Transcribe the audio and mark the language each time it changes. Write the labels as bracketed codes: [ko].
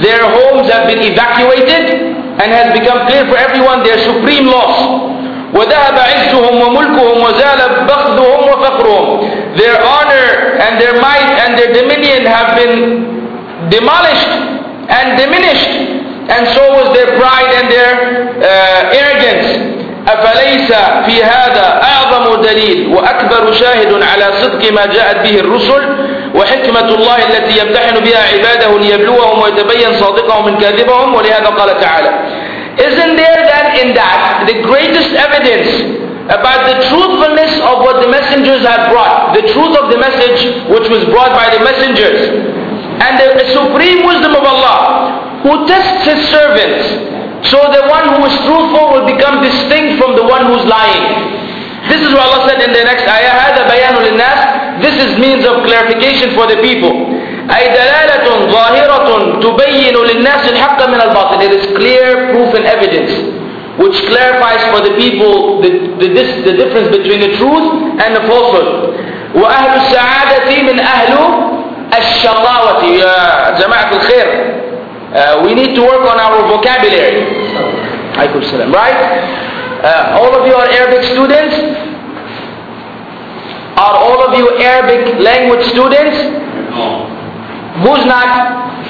[en] Their homes have been evacuated and has become clear for everyone their supreme loss. [ar] وذهب عزهم وملكهم وزال بخذهم وفخرهم. [en] Their honor and their might and their dominion have been demolished and diminished, and so was their pride and their arrogance. [ar] أَفَلَيْسَ فِي هَذَا أَعْظَمُ دَلِيلٌ وَأَكْبَرُ شَاهِدٌ عَلَى صِدْقِ مَا جَاءَتْ بِهِ الرُّسُلُ وَحِكْمَةُ اللَّهِ الَّتِي يَمْتَحِنُ بِهَا عِبَادَهُ لِيَبْلُوَهُمْ وَيَتَبَيَّنَ صَادِقَهُمْ مِنْ كَاذِبَهُمْ. وَلِهَذَا قَالَ تَعَالَى. [en] Isn't there then in that the greatest evidence about the truthfulness of what the messengers have brought, the truth of the message which was brought by the messengers, and the supreme wisdom of Allah who tests his servants, so the one who is truthful will become distinct from the one who is lying. This is what Allah said in the next ayah, [ar] هذا بيان للناس. [en] This is means of clarification for the people. [ar] أي دلالة ظاهرة تبين للناس الحق من الباطل. [en] It is clear proof and evidence which clarifies for the people the difference between the truth and the falsehood. وأهل السعادة من أهل الشقاوة. يا جماعة الخير. We need to work on our vocabulary. Aikum salam. Right? All of you are Arabic students? Are all of you Arabic language students? No. Who's not?